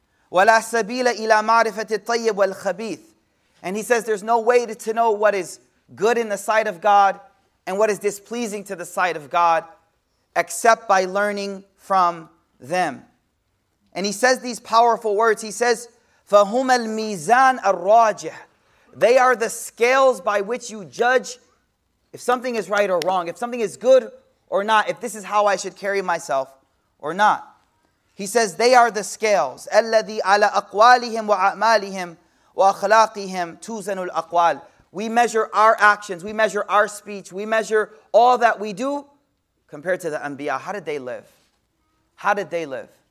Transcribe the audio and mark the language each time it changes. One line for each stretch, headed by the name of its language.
Arabic: Wa la sabila ila ma'rifati tayyib wal khabith.
English: And he says there's no way to know what is good in the sight of God and what is displeasing to the sight of God except by learning from them. And he says these powerful words. He says,
Arabic: فهم الميزان الراجح.
English: They are the scales by which you judge if something is right or wrong, if something is good or not, if this is how I should carry myself or not. He says, they are the scales.
Arabic: الذي على أقوالهم وأعمالهم وأخلاقهم توزن الأقوال.
English: We measure our actions, we measure our speech, we measure all that we do compared to the Anbiya. How did they live? How did they live?